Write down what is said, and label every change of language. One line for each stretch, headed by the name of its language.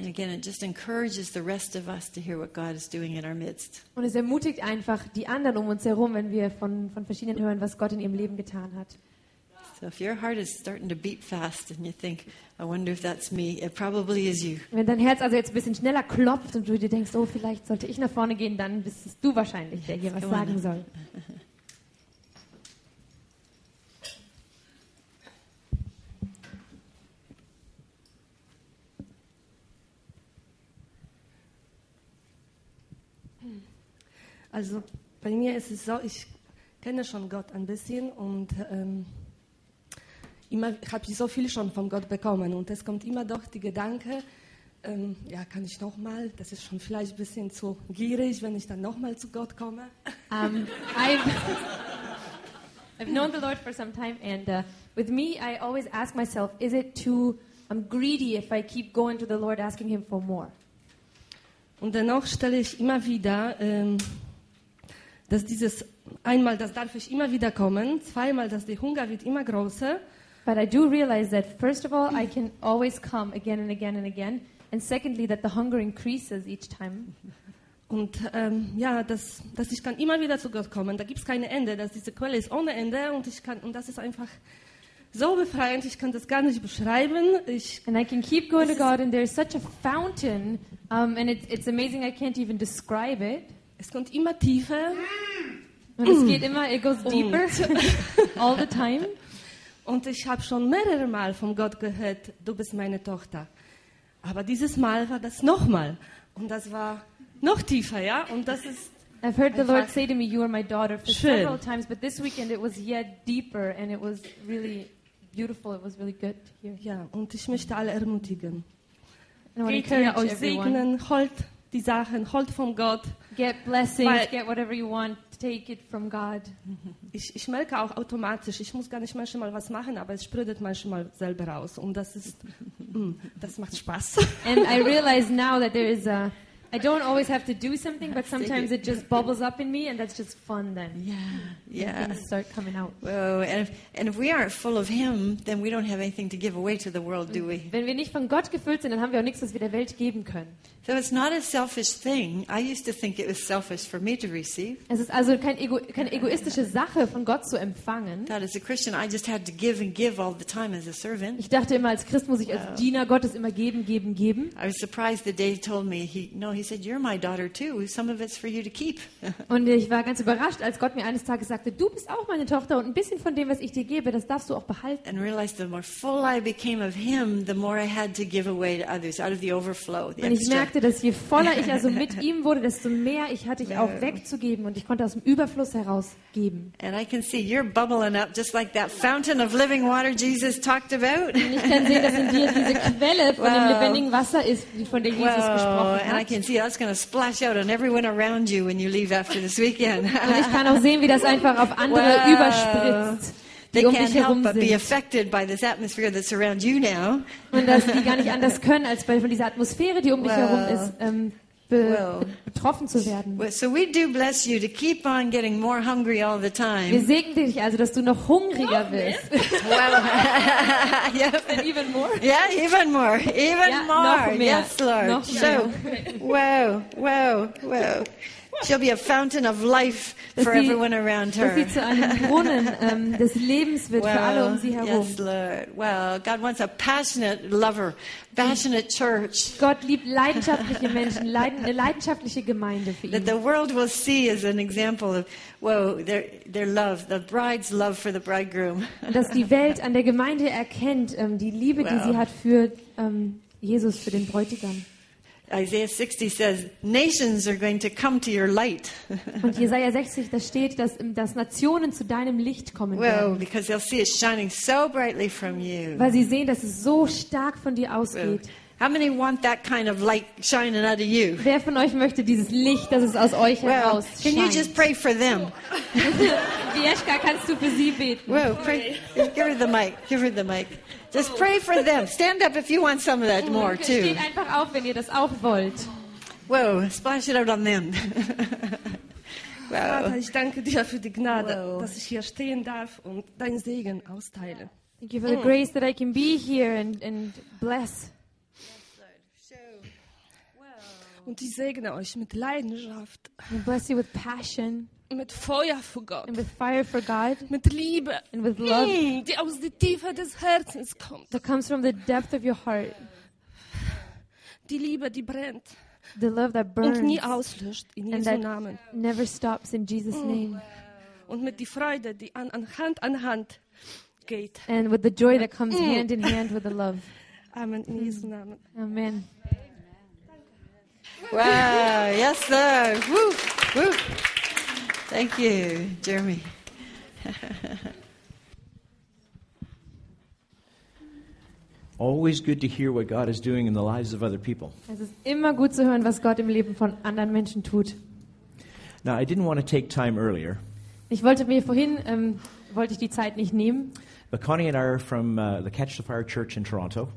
English: And again, it just encourages the rest of us to hear what God is doing in our midst.
German: Und es ermutigt einfach die anderen um uns herum, wenn wir von verschiedenen hören, was Gott in ihrem Leben getan hat.
English: So if your heart is starting to beat fast and you think, I wonder if that's me, it probably is you.
German: Wenn dein Herz also jetzt ein bisschen schneller klopft und du dir denkst, oh, vielleicht sollte ich nach vorne gehen, dann bist du wahrscheinlich, der hier was sagen soll. Also bei mir ist es so, ich kenne schon Gott ein bisschen und immer habe ich so viel schon von Gott bekommen. Und es kommt immer doch die Gedanke, ja, kann ich nochmal? Das ist schon vielleicht ein bisschen zu gierig, wenn ich dann nochmal zu Gott komme.
English: I've known the Lord for some time and with me I always ask myself, is it too greedy if I keep going to the Lord asking him for more?
German: Und dennoch stelle ich immer wieder, dass dieses einmal, das darf ich immer wieder kommen, zweimal, dass der Hunger wird immer größer.
English: But I do realize that first of all, I can always come again and again and again, and secondly, that the hunger increases each time.
German: Und ja, dass ich kann immer wieder zu Gott kommen. Da gibt's keine Ende, dass diese Quelle ist ohne Ende und ich kann und das ist einfach so befreiend, ich kann das gar nicht beschreiben.
English: And I can keep going to God and there's such a fountain and it's amazing, I can't even describe it.
German: Es kommt immer tiefer. Und es geht immer,
English: it goes deeper. All the time.
German: Und ich habe schon mehrere Mal von Gott gehört, du bist meine Tochter. Aber dieses Mal war das nochmal. Und das war noch tiefer, ja? Und das ist
English: I've heard the Lord say to me, you are my daughter, for
German: schön.
English: Several times, but this weekend it was yet deeper and it was really beautiful, it was really good to hear.
German: Ja, und ich möchte alle ermutigen.
English: And I want to encourage
German: euch
English: everyone.
German: Segnen, holt die Sachen, holt von Gott.
English: Get blessings,
German: weil
English: get whatever you want, take it from God.
German: Ich merke auch automatisch, ich muss gar nicht manchmal was machen, aber es sprudelt manchmal selber raus und das ist, das macht Spaß.
English: And I realize now that there is a I don't always have to do something, but sometimes it just bubbles up in me, and that's just fun then. Yeah, yeah. Things start coming out. Well, and if we aren't full of Him, then we don't have anything to give away to the world, do we?
German: Wenn wir nicht von Gott gefüllt sind, dann haben wir auch nichts, was wir der Welt geben können.
English: So it's not a selfish thing. I used to think it was selfish for me to receive.
German: Es ist also keine egoistische Sache, von Gott zu empfangen.
English: Thought as a Christian, I just had to give and give all the time as a servant.
German: Ich dachte immer, als Christ muss ich als Diener Gottes immer geben, geben, geben.
English: I was surprised the day he told me He said, "You're my daughter too. Some of it's for you to keep."
German: Und ich war ganz überrascht, als Gott mir eines Tages sagte, du bist auch meine Tochter und ein bisschen von dem, was ich dir gebe, das darfst du auch behalten.
English: And realized the more full I became of Him, the more I had to give away to others out of the overflow. The
German: und ich merkte, dass je voller ich also mit ihm wurde, desto mehr ich hatte ich auch wegzugeben und ich konnte aus dem Überfluss herausgeben.
English: And I can see you're bubbling up just like that fountain of living water Jesus talked about.
German: Und ich kann sehen, dass in dir diese Quelle von dem lebendigen Wasser ist, von der Jesus gesprochen hat.
English: That's going to splash out on everyone around you when you leave after this weekend.
German: Und ich kann auch sehen, wie das einfach auf andere überspritzt.
English: They can't
German: dich herum
English: help but
German: sind.
English: Be affected by this atmosphere that's around you now.
German: Und dass die gar nicht anders können, als von dieser Atmosphäre, die dich herum ist, betroffen zu werden.
English: So we do bless you to keep on getting more hungry all the time.
German: Wir segnen dich also, dass du noch hungriger wirst.
English: Well, yep. Even more. Yeah, even more. Even
German: ja,
English: more.
German: Noch mehr.
English: Yes, Lord.
German: Noch
English: so, wow, wow, wow. She'll be a fountain of life for everyone around her.
German: Sie zu einem Brunnen des Lebens wird für alle um sie herum.
English: Yes, Lord. Well, God wants a passionate lover, passionate church.
German: Gott liebt leidenschaftliche Menschen, eine leidenschaftliche Gemeinde für ihn.
English: That the world will see as an example of their love, the bride's love for the bridegroom.
German: Dass die Welt an der Gemeinde erkennt die Liebe, die sie hat für Jesus, für den Bräutigam.
English: Isaiah 60 says nations are going to come to your light.
German: Und Jesaja 60 da steht, dass Nationen zu deinem Licht kommen werden.
English: Well, because they'll see it shining so brightly from you.
German: Weil sie sehen, dass es so stark von dir ausgeht.
English: How many want that kind of light shining out of you?
German: Wer von euch möchte dieses Licht, dass es aus euch heraus scheint?
English: Can you just pray for them?
German: Jeschka, kannst du für sie beten?
English: Whoa, pray. Give her the mic. Give her the mic. Just pray for them. Stand up if you want some of that more too.
German: Steht einfach auf, wenn ihr das auch wollt.
English: Whoa, splash it out on them. Wow.
German: Vater, ich danke dir für die Gnade, dass ich hier stehen darf und dein Segen austeile.
English: Thank you for the grace that I can be here and bless.
German: Und ich segne euch mit Leidenschaft.
English: And bless you with passion.
German: Mit Feuer für Gott.
English: And with fire for God.
German: Mit Liebe.
English: And with love.
German: Die aus der Tiefe des Herzens kommt.
English: That comes from the depth of your heart.
German: Die Liebe, die brennt.
English: The love that burns.
German: Und nie auslöscht in
English: and
German: Jesu Namen.
English: Never stops in Jesus' name.
German: Und mit die Freude, die an Hand geht.
English: And with the joy that comes hand in hand with the love.
German: Amen. In Jesu Namen.
English: Amen. Wow, yes, sir. Woo, woo. Thank you, Jeremy. Always good to hear what God is doing in the lives of other people. Es ist immer gut zu hören, was Gott im Leben von anderen Menschen tut. Now, I didn't want to take time earlier. Ich wollte mir vorhin wollte ich die Zeit nicht nehmen. But Connie and I are from the Catch the Fire Church in Toronto.